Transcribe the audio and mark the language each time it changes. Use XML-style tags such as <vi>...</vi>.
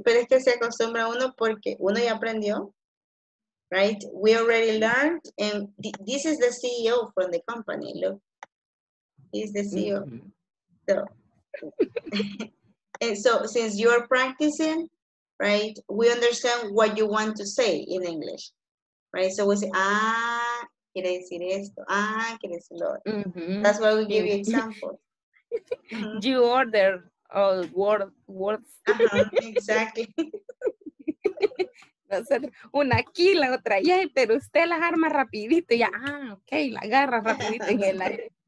<es>Pero es que se acostumbra uno porque uno ya aprendió.</es> <en>Right? We already learned. And this is the CEO from the company, look. Is the CEO. Mm-hmm. So, and so since you are practicing, right, we understand what you want to say in English, right?</en> <es>So we say, quiere decir esto, quiere decir lo otro.</es> <en>Mm-hmm. That's why we give you examples. Mm-hmm. You order all words. Exactly.</en> <es>Va a ser una aquí, la otra allá, pero usted las arma rapidito, ya, ok, la agarra rapidito en el aire.</es>